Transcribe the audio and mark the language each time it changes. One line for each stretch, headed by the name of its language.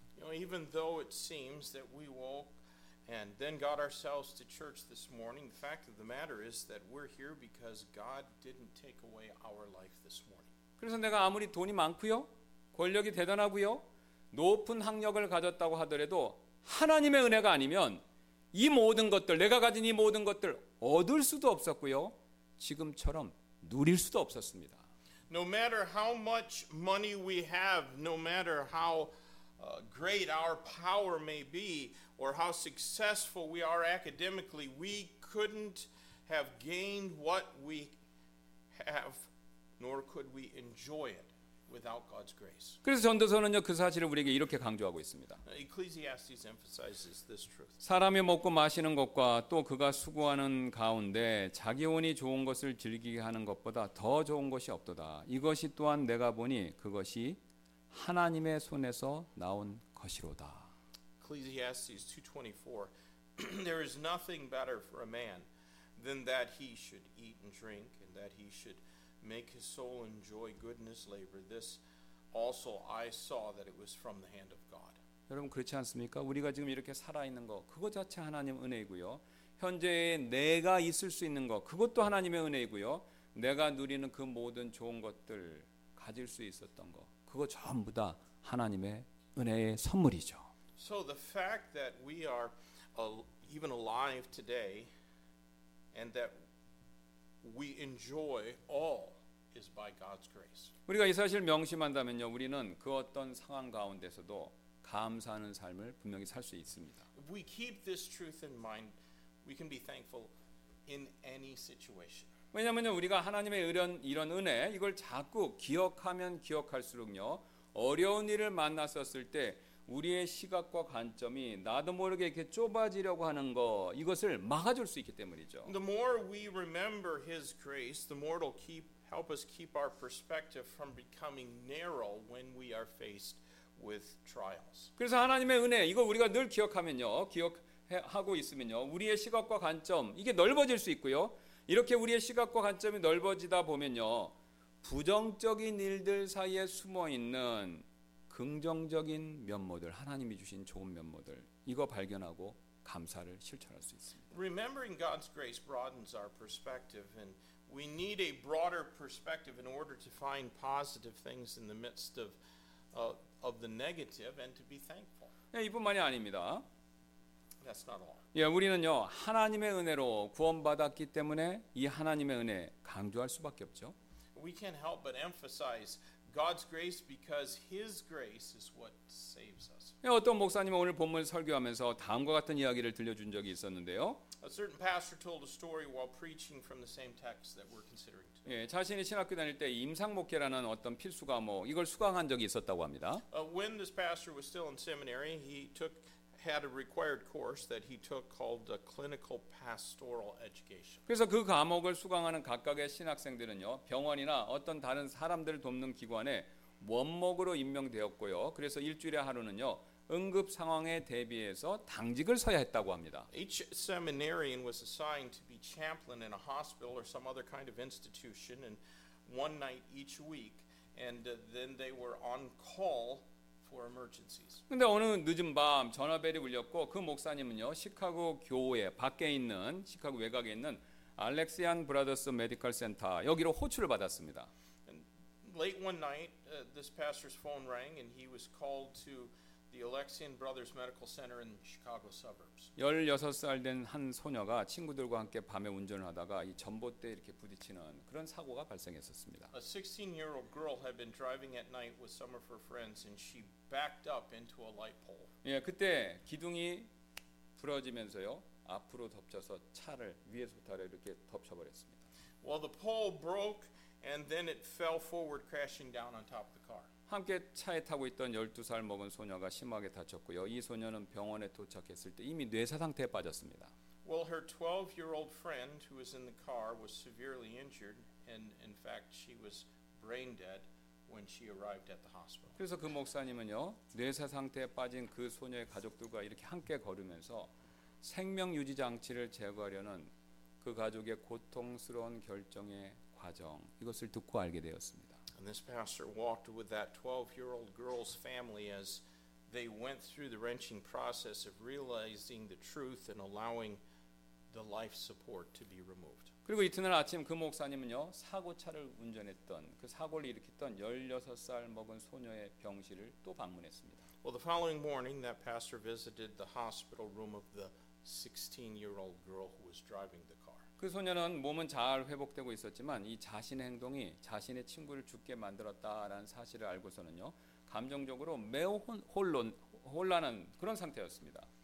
English: You know, even though it seems that we woke and then got ourselves to church this morning, the fact of the matter is that we're here because God didn't take away our life this morning.
Korean: 그래서 내가 아무리 돈이 많고요, 권력이 대단하고요, 높은 학력을 가졌다고 하더라도 하나님의 은혜가 아니면 이 모든 것들, 내가 가진 이 모든 것들 얻을 수도 없었고요. 지금처럼 누릴 수도 없었습니다.
English: No matter how much money we have, no matter how great our power may be, or how successful we are academically, we couldn't have gained what we have, nor could we enjoy it. Without God's grace.
Korean: 그래서 전도서는요 그 사실을 우리에게 이렇게 강조하고 있습니다.
English: Ecclesiastes emphasizes this truth.
Korean: 사람이 먹고 마시는 것과 또 그가 수고하는 가운데 자기 혼이 좋은 것을 즐기게 하는 것보다 더 좋은 것이 없도다. 이것이 또한 내가 보니 그것이 하나님의 손에서 나온 것이로다.
English: Ecclesiastes 2:24. There is nothing better for a man than that he should eat and drink and that he should make his soul enjoy goodness labor. This also I saw that it was from the hand of God.
Korean: 여러분 그렇지 않습니까? 우리가 지금 이렇게 살아 있는 거 그것 자체 하나님 은혜이고요. 현재 내가 있을 수 있는 거 그것도 하나님의 은혜이고요. 내가 누리는 그 모든 좋은 것들 가질 수 있었던 거 그거 전부 다 하나님의 은혜의 선물이죠.
English: So the fact that we are even alive today and that we enjoy all is by God's grace.
Korean: 우리가 이 사실을 명심한다면요, 우리는 그 어떤 상황 가운데서도 감사하는 삶을 분명히 살 수 있습니다.
English: If we keep this truth in mind, we can be thankful in any situation.
Korean: 왜냐하면요, 우리가 하나님의 이런 은혜 이걸 자꾸 기억하면 기억할수록요, 어려운 일을 만났었을 때 우리의 시각과 관점이 나도 모르게 이렇게 좁아지려고 하는 거 이것을 막아줄 수 있기 때문이죠.
English: The more we remember His grace, the more it'll help us keep our perspective from becoming narrow when we are faced with trials.
Korean: 그래서 하나님의 은혜 이거 우리가 늘 기억하면요, 기억하고 있으면요, 우리의 시각과 관점 이게 넓어질 수 있고요. 이렇게 우리의 시각과 관점이 넓어지다 보면요, 부정적인 일들 사이에 숨어 있는 긍정적인 면모들, 하나님이 주신 좋은 면모들 이거 발견하고 감사를 실천할 수 있습니다.
English: Remembering God's grace broadens our perspective and we need a broader perspective in order to find positive things in the midst of the negative and to be thankful.
Korean: 예, 이뿐만이 아닙니다.
English: That's not all.
Korean: 예, 우리는요, 하나님의 은혜로 구원받았기 때문에 이 하나님의 은혜 강조할 수밖에 없죠.
English: We can't help but emphasize God's grace because His grace is what saves us.
Korean: 어떤 목사님은 오늘 본문 설교하면서 다음과 같은 이야기를 들려준 적이 있었는데요.
English: A certain pastor told a story while preaching from the same text that we're considering today.
Korean: 예, 자신이 신학교 다닐 때 임상 목회라는 어떤 필수 과목 이걸 수강한 적이 있었다고 합니다.
English: When this pastor was still in seminary, he had a required course that he took called a clinical pastoral education.
Korean: 그래서 그 과목을 수강하는 각각의 신학생들은요, 병원이나 어떤 다른 사람들을 돕는 기관에 원목으로 임명되었고요. 그래서 일주일에 하루는요, 응급 상황에 대비해서 당직을 서야 했다고 합니다.
English: Each seminarian was assigned to be chaplain in a hospital or some other kind of institution and one night each week and then they were on call for emergencies.
Korean: 근데 어느 늦은 밤 전화벨이 울렸고 그 목사님은요, 시카고 교회 밖에 있는 시카고 외곽에 있는 알렉시안 브라더스 메디컬 센터 여기로 호출을 받았습니다.
English: And late one night, this pastor's phone rang and he was called to the Alexian Brothers Medical Center in Chicago suburbs.
Korean: 16살 된 한 소녀가 친구들과 함께 밤에 운전을 하다가 이 전봇대에 이렇게 부딪히는 그런 사고가 발생했었습니다.
English: A 16-year-old girl had been driving at night with some of her friends and she backed up into a light pole.
Korean: 예, 그때 기둥이 부러지면서요. 앞으로 덮쳐서 차를 위에서부터 아래 이렇게 덮쳐 버렸습니다.
English: Well, the pole broke and then it fell forward crashing down on top of the car.
Korean: 함께 차에 타고 있던 12살 먹은 소녀가 심하게 다쳤고요. 이 소녀는 병원에 도착했을 때 이미 뇌사 상태에 빠졌습니다.
English: Well, her 12-year-old friend who was in the car was severely injured and in fact she was brain dead when she arrived at the hospital.
Korean: 그래서 그 목사님은요. 뇌사 상태에 빠진 그 소녀의 가족들과 이렇게 함께 걸으면서 생명 유지 장치를 제거하려는 그 가족의 고통스러운 결정의 과정 이것을 듣고 알게 되었습니다.
English: And this pastor walked with that 12-year-old girl's family as they went through the wrenching process of realizing the truth and allowing the life support to be removed.
Korean: 그리고 이튿날 아침 그 목사님은요 사고 차를 운전했던 그 사고를 일으켰던 16살 먹은 소녀의 병실을 또 방문했습니다.
English: Well, the following morning, that pastor visited the hospital room of the 16-year-old girl who was driving the car.
Korean: 그 소녀는 몸은 잘 회복되고 있었지만 이 자신의 행동이 자신의 친구를 죽게 만들었다라는 사실을 알고서는요 감정적으로 매우 혼란한 그런 상태였습니다.